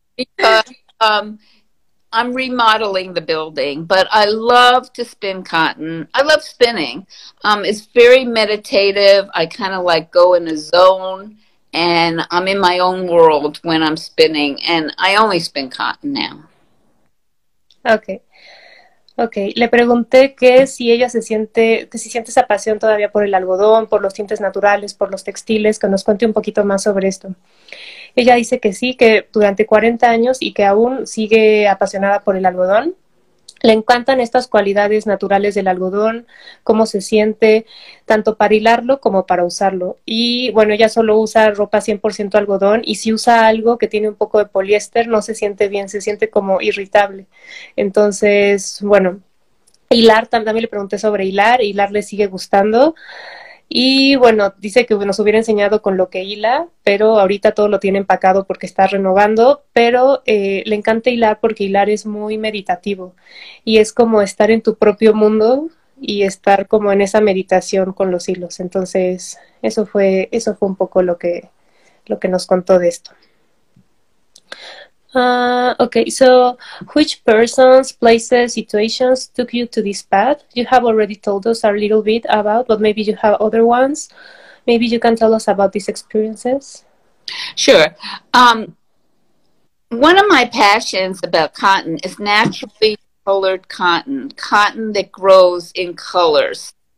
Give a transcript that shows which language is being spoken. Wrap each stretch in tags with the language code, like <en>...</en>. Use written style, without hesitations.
<en>Because I'm remodeling the building, but I love to spin cotton. I love spinning. It's very meditative. I kind of go in a zone, and I'm in my own world when I'm spinning, and I only spin cotton now. Okay. Okay,</en> <es>le pregunté que si ella se siente, que si siente esa pasión todavía por el algodón, por los tintes naturales, por los textiles, que nos cuente un poquito más sobre esto. Ella dice que sí, que durante 40 años y que aún sigue apasionada por el algodón. Le encantan estas cualidades naturales del algodón, cómo se siente, tanto para hilarlo como para usarlo. Y bueno, ella solo usa ropa 100% algodón, y si usa algo que tiene un poco de poliéster, no se siente bien, se siente como irritable. Entonces, bueno, hilar, también le pregunté sobre hilar, hilar le sigue gustando. Y bueno, dice que nos hubiera enseñado con lo que hila, pero ahorita todo lo tiene empacado porque está renovando, pero le encanta hilar porque hilar es muy meditativo y es como estar en tu propio mundo y estar como en esa meditación con los hilos. Entonces, eso fue un poco lo que nos contó de esto.</es> <en>Okay, so which persons, places, situations took you to this path? You have already told us a little bit about, but maybe you have other ones. Maybe you can tell us about these experiences. Sure. One of my passions about cotton is naturally colored cotton, cotton that grows in colors.</en>